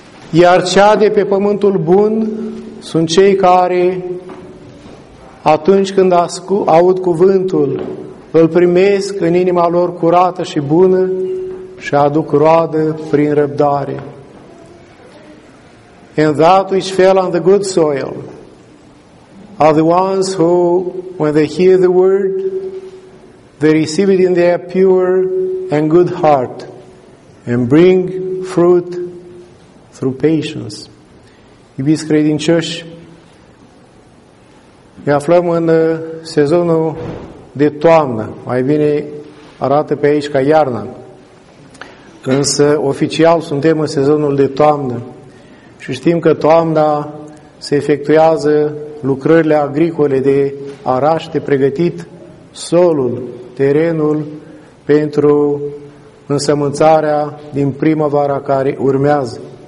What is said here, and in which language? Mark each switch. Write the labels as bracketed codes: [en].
[ro] Iar cea de pe pământul bun sunt cei care, atunci când aud cuvântul, îl primesc în inima lor curată și bună și aduc roadă prin răbdare. [en] And that which fell on the good soil are the ones who, when they hear the word, they receive it in their pure and good heart and bring fruit through patience. [ro] Iubiți credincioși, ne aflăm în sezonul de toamnă, mai bine arată pe aici ca iarna, însă oficial suntem în sezonul de toamnă și știm că toamna se efectuează lucrările agricole de araș, de pregătit solul, terenul pentru însămânțarea din primăvara care urmează.